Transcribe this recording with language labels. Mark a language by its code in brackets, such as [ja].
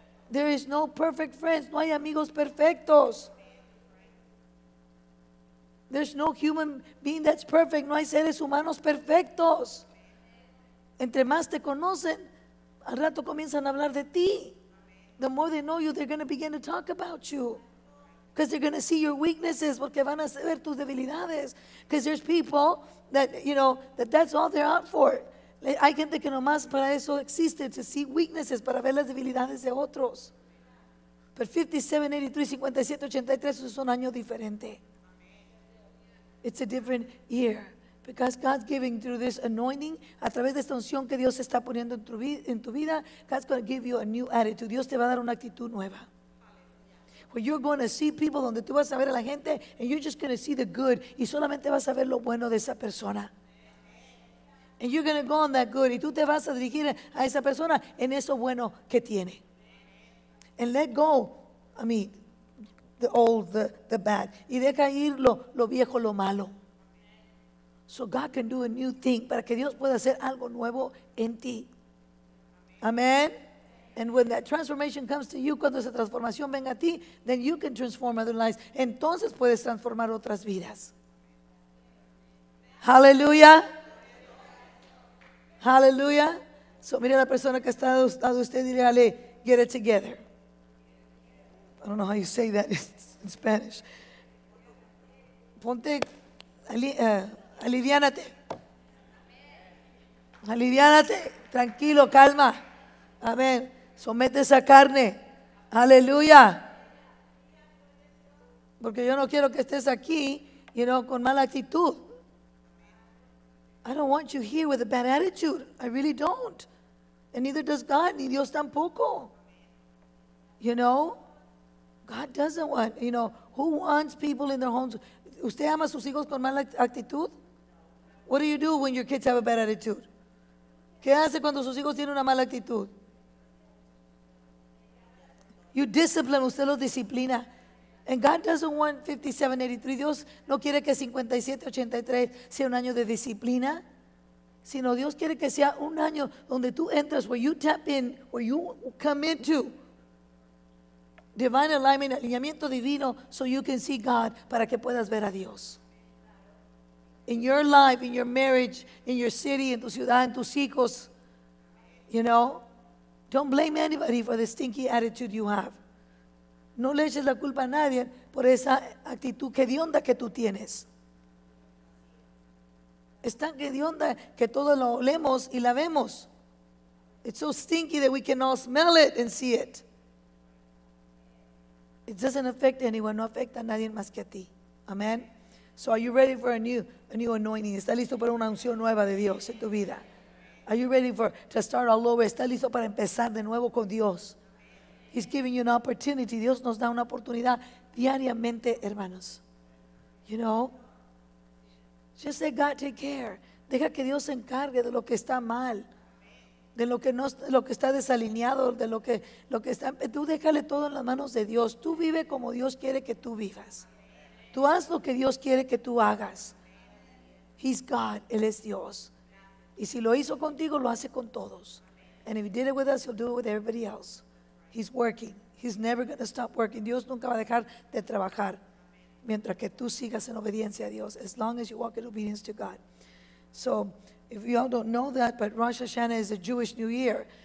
[en] There is no perfect friends. [es] No hay amigos perfectos. [en] There's no human being that's perfect. [es] No hay seres humanos perfectos. Entre más te conocen, al rato comienzan a hablar de ti. [en] The more they know you, they're going to begin to talk about you. Because they're going to see your weaknesses, [es] porque van a ver tus debilidades. [en] Because there's people that, you know, that's all they're out for. [es] Hay gente que nomás para eso existe, [en] to see weaknesses, [es] para ver las debilidades de otros. But 5783, 5783, eso es un año diferente. [en] It's a different year. Because God's giving through this anointing, [es] a través de esta unción que Dios está poniendo en tu vida, [en] God's going to give you a new attitude. [es] Dios te va a dar una actitud nueva. [en] Where you're going to see people, [es] donde tú vas a ver a la gente, [en] and you're just going to see the good, [es] y solamente vas a ver lo bueno de esa persona. [en] And you're going to go on that good, [es] y tú te vas a dirigir a esa persona en eso bueno que tiene. [en] And let go, I mean, the old, the bad. [es] Y deja ir lo viejo, lo malo. [en] So God can do a new thing, [es] para que Dios pueda hacer algo nuevo en ti. [en] Amen. And when that transformation comes to you, [es] cuando esa transformación venga a ti, [en] then you can transform other lives. [es] Entonces puedes transformar otras vidas. Hallelujah. Hallelujah. So mire a la persona que está a su lado usted y dígale, [en] get it together. I don't know how you say that in Spanish. [es] Ponte, aliviánate. Aliviánate. Tranquilo, calma. Amén. Somete esa carne. Aleluya. Porque yo no quiero que estés aquí, you know, con mala actitud. [en] I don't want you here with a bad attitude. I really don't. And neither does God, [es] ni Dios tampoco. [en] You know, God doesn't want, you know, who wants people in their homes? [es] ¿Usted ama a sus hijos con mala actitud? [en] What do you do when your kids have a bad attitude? [es] ¿Qué hace cuando sus hijos tienen una mala actitud? [en] You discipline, [es] usted los disciplina. [en] And God doesn't want 5783. [es] Dios no quiere que 5783 sea un año de disciplina, sino Dios quiere que sea un año donde tú entras, [en] where you tap in, where you come into divine alignment, [es] alineamiento divino, [en] so you can see God, [es] para que puedas ver a Dios. [en] In your life, in your marriage, in your city, [es] en tu ciudad, en tus hijos, [en] you know. Don't blame anybody for the stinky attitude you have. [es] No le eches la culpa a nadie por esa actitud que hedionda que tú tienes. Es tan hedionda que todos lo olemos y la vemos. [en] It's so stinky that we can all smell it and see it. It doesn't affect anyone. [es] No afecta a nadie más que a ti. [en] Amen. So are you ready for a new anointing? [es] ¿Está listo para una unción nueva de Dios en tu vida? [en] Are you ready to start all over? [es] ¿Está listo para empezar de nuevo con Dios? [en] He's giving you an opportunity. [es] Dios nos da una oportunidad diariamente, hermanos. You know? [en] Just let God take care. [es] Deja que Dios se encargue de lo que está mal, de lo que no, de lo que está desalineado, de lo que está. Tú déjale todo en las manos de Dios. Tú vive como Dios quiere que tú vivas. Tú haz lo que Dios quiere que tú hagas. [en] He's God. [es] Él es Dios. Y si lo hizo contigo, lo hace con todos. [en] And if he did it with us, he'll do it with everybody else. He's working. He's never going to stop working. [es] Dios nunca va a dejar de trabajar mientras que tú sigas en obediencia a Dios, [en] as long as you walk in obedience to God. So, if you all don't know that, but Rosh Hashanah is a Jewish New Year.